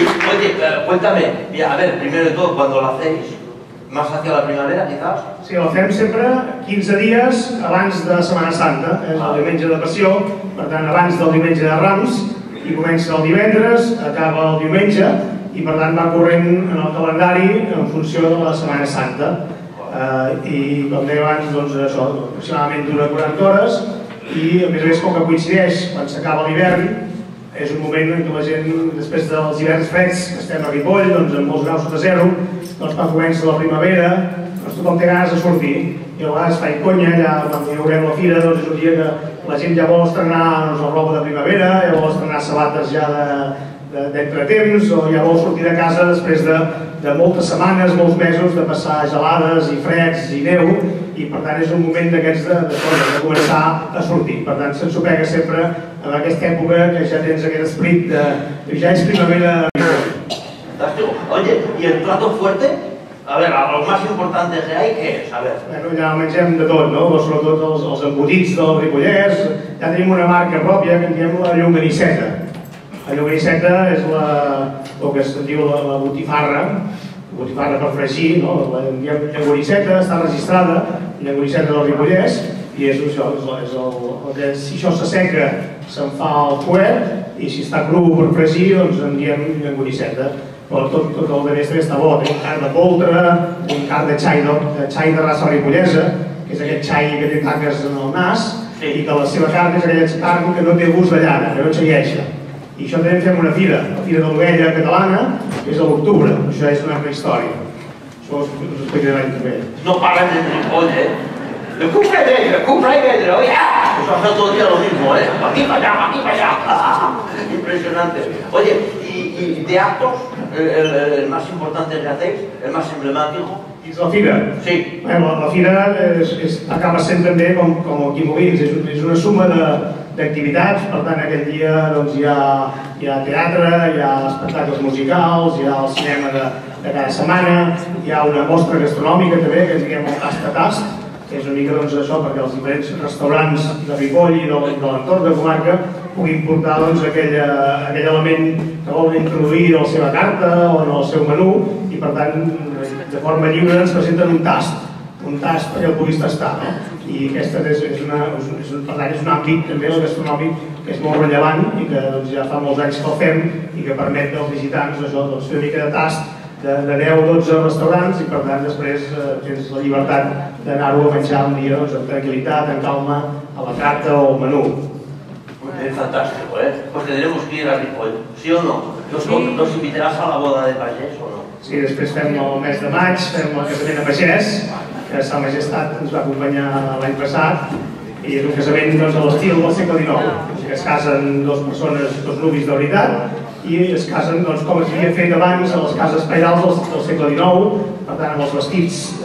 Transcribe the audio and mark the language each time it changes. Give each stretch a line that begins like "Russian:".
Spanish: Oye, cuéntame, a ver, primero de todo, ¿cuándo lo hacéis? ¿Más hacia la primavera, quizás?
Catalan: Sí, lo fem sempre 15 dies abans de Setmana Santa, és el diumenge de Passió, per tant, abans del diumenge de Rams, i comença el divendres, acaba el diumenge, i per tant va corrent en el calendari en funció de la Setmana Santa. I com deia abans, doncs, això, aproximadament dura 40 hores i a més a més com que coincideix quan s'acaba l'hivern, és un moment en què la gent, després dels hiverns freds, que estem a Ripoll, doncs amb molts graus sota zero, doncs quan comença la primavera, doncs tothom té ganes de sortir. I a vegades fa i conya, ja quan hi haurem la fira, doncs és un dia que la gent ja vol estrenar doncs, la roba de primavera, ja vol estrenar sabates ja d'entretemps, o ja vol sortir de casa després de moltes setmanes, molts mesos, de passar gelades i freds i neu, i per tant és un moment d'aquests de començar a sortir. Per tant, se'ns pega sempre en aquesta època que ja tens aquest esprit de... ja és primavera...
Spanish: Oye, ¿y el plato fuerte? A ver, lo más importante que hay, ¿qué es? A ver...
Catalan: Bueno, ja mengem de tot, no? Sobretot els embotits del Ripollès. Ja tenim una marca pròpia que en diem la Llonganisseta. La Llonganisseta és la... el que es diu la botifarra. Botifarra per fregir, no? En diem Llonganisseta, està registrada, Llonganisseta del Ripollès. I és això, si això s'asseca, se'n fa el fuet, i si està cru per fregir, doncs en diem llonganisseta. Però tot el de mestre està bo, tenim carn de poltre, tenim carn de xai de raça ripollesa, que és aquest xai que té taques en el nas, i que la seva carn és aquella carn que no té gust de llana, que no xaieixa. I això també fem una fira, la fira de l'ovella catalana, que és a l'octubre, això és una altra història. Això us ho explicaré l'any també. No parlen de Ripoll, eh?
Spanish: Le cumple de ella, le cumple de ella, oye, pues ha estado todo el día lo mismo, ¿eh? Aquí para allá, aquí para allá. Impresionante. Oye, ¿y de actos, el más importante que hacéis, el más emblemático?
Catalan: És la fira. Sí. Bueno, la fira acaba sent també com el Quimovins, és una suma d'activitats, per tant, aquell dia doncs, hi ha teatre, hi ha espectacles musicals, hi ha el cinema de cada setmana, hi ha una mostra gastronòmica també, que diguem el tast-a-tast, que és una mica doncs, això, perquè els diferents restaurants de Ripoll i de l'entorn de comarca puguin portar doncs, aquell element que volen introduir a la seva carta o en el seu menú i, per tant, de forma lliure ens presenten un tast perquè el puguis tastar. No? I aquesta és un àmbit també el gastronòmic que és molt rellevant i que doncs, ja fa molts anys que el fem i que permet als visitants això, doncs, fer una mica de tast de 10-12 restaurants i per tant després tens la llibertat d'anar-ho a menjar un dia doncs, amb tranquil·litat, amb calma, a la carta o al menú.
Spanish: Es fantástico, ¿eh? Pues tendremos que ir a Ripoll, ¿sí o no? ¿Nos invitarás a la boda de pagès o no?
Catalan: Sí, després fem el mes de maig, fem el casament de pagès, que Sa Majestat ens va acompanyar l'any passat, i és un casament doncs, a l'estil del segle XIX, que es casen dues persones, dos nuvis de veritat, i es casen doncs, com es havia fet abans a les cases pairals del segle XIX, per tant, amb els vestits